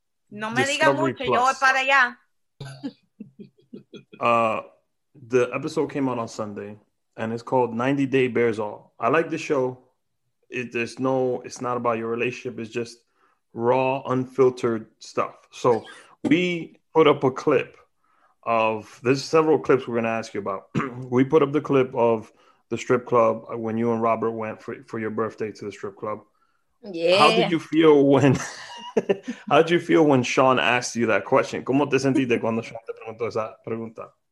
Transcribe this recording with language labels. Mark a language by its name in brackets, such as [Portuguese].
[Spanish] No me diga mucho, yo voy para allá. [English] The episode came out on Sunday, and it's called 90 Day Bears All. I like the show. It's not about your relationship. It's just raw, unfiltered stuff. So we put up a clip of, there's several clips we're going to ask you about. We put up the clip of the strip club when you and Robert went for your birthday to the strip club. Yeah. How did you feel when, how did you feel when Sean asked you that question? [Spanish] ¿Cómo te sentiste cuando Sean te preguntó esa pregunta?